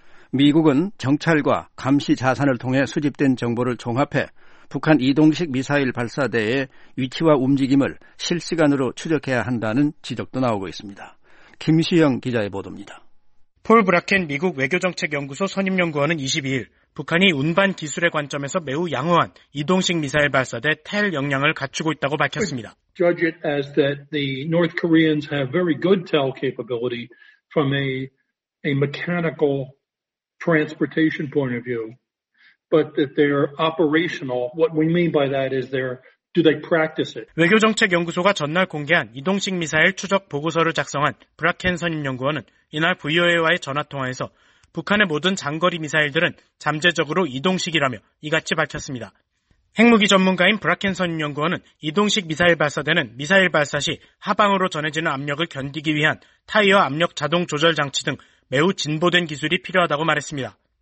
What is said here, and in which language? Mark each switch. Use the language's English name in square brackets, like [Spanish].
[Korean] 미국은 정찰과 감시 자산을 통해 수집된 정보를 종합해 북한 이동식 미사일 발사대의 위치와 움직임을 실시간으로 추적해야 한다는 지적도 나오고 있습니다. 김시영 기자의 보도입니다. 폴 브라켄 미국 외교정책연구소 선임연구원은 22일 북한이 운반 기술의 관점에서 매우 양호한 이동식 미사일 발사대 텔 역량을 갖추고 있다고 밝혔습니다. [English] Judge it as that the North Koreans have very good tel capability from a mechanical transportation point of view, but that they're operational. What we mean by that is they're do they practice it? [Korean] 외교정책연구소가 전날 공개한 이동식 미사일 추적 보고서를 작성한 브라켄 선임연구원은 이날 VOA와의 전화통화에서 북한의 모든 장거리 미사일들은 잠재적으로 이동식이라며 이같이 밝혔습니다. 핵무기 전문가인 브라켄 선임연구원은 이동식 미사일 발사대는 미사일 발사 시 하방으로 전해지는 압력을 견디기 위한 타이어 압력 자동 조절 장치 등 매우 진보된 기술이 필요하다고 말했습니다.